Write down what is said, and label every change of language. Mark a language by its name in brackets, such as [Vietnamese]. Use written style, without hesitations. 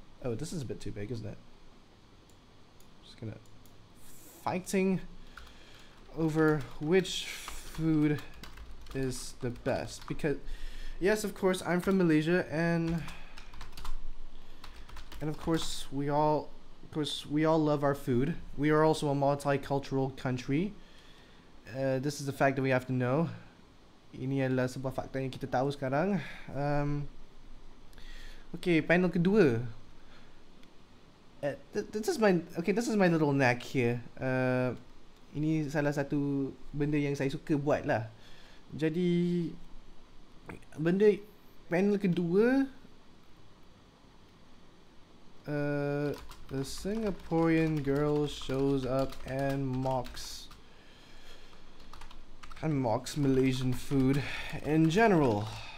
[English] Oh, this is a bit too big, isn't it? Just gonna fighting over which food is the best. Because, yes, of course, I'm from Malaysia, and of course we all love our food. We are also a multicultural country. This is a fact that we have to know. [Malay] Ini adalah sebuah fakta yang kita tahu sekarang. Okay, panel kedua. [English] This is my little knack here. [Malay] Ini salah satu benda yang saya suka buat lah. Jadi benda panel kedua, [English] the Singaporean girl shows up and mocks Malaysian food in general.